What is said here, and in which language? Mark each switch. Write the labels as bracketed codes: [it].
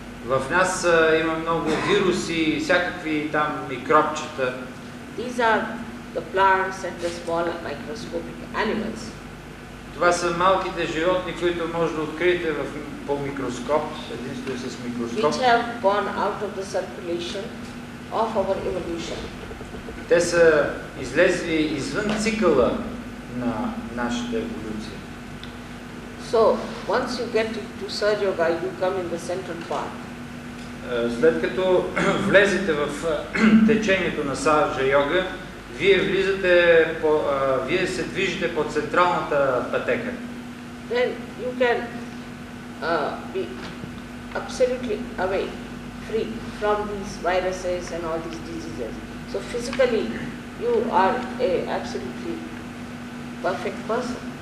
[bg] В нас има много вируси и всякакви там микробчета. [en] These are the plants and the small microscopic animals. [bg] Това са малките животни, които може да откриете по микроскоп, единствено с микроскоп. [en] Which have gone out of the circulation of our evolution. [bg] Те са излезли извън цикъла на нашата еволюция. [en] So, once you get to Sahaja Yoga, you come in the central part. [bg] След като влезете в течението на Sahaja Yoga, вие влизате вие се движите по централната пътека. [en] Then you can be absolutely away, free from these viruses and all these diseases. So physically you are a absolutely perfect person.